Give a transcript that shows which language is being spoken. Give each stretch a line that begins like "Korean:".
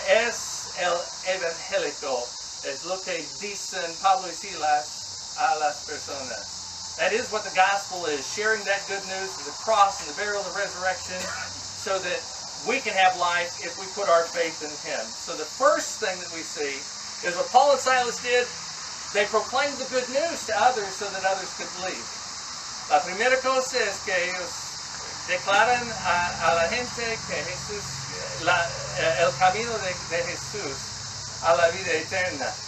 Spanish: Es el evangélico, es lo que dicen Pablo y Silas a las personas.
English: That is what the gospel is, sharing that good news of the cross and the burial and the resurrection, so that we can have life if we put our faith in Him. So the first thing that we see is what Paul and Silas did. They proclaimed the good news to others so that others could believe.
Spanish: La primera cosa es que ellos declaran a la gente que Jesús, el camino de Jesús a la vida eterna.